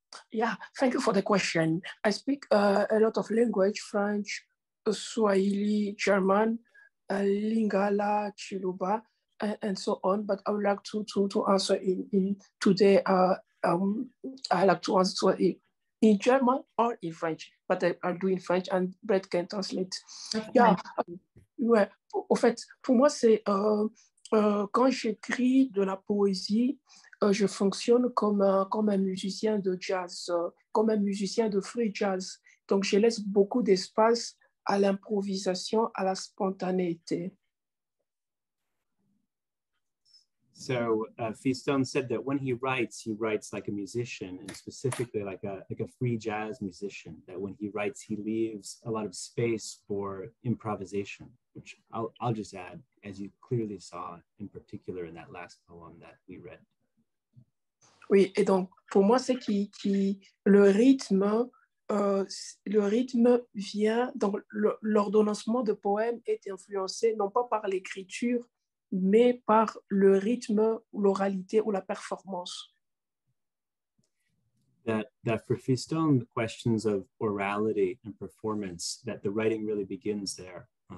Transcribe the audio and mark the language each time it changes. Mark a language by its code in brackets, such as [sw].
[en] Yeah, thank you for the question. I speak a lot of language, French, Swahili, German, Lingala, Chiluba, and so on. But I would like to answer in today. I like to answer in German or in French, but I'll do in French and Brett can translate. Okay. Yeah. Ouais. [fr] Au fait, pour moi, c'est quand j'écris de la poésie, je fonctionne comme un musicien de jazz, comme un musicien de free jazz. Donc, je laisse beaucoup d'espace à l'improvisation, à la spontanéité. [en] So Fiston said that when he writes like a musician, and specifically like a free jazz musician, that when he writes, he leaves a lot of space for improvisation, which I'll just add, as you clearly saw in particular in that last poem that we read. [fr] Oui, et donc pour moi, c'est qui le rythme. Le rythme vient, donc l'ordonnancement de poème est influencé non pas par l'écriture, mais par le rythme, l'oralité ou la performance. [en] That for Fiston, the questions of orality and performance, that the writing really begins there.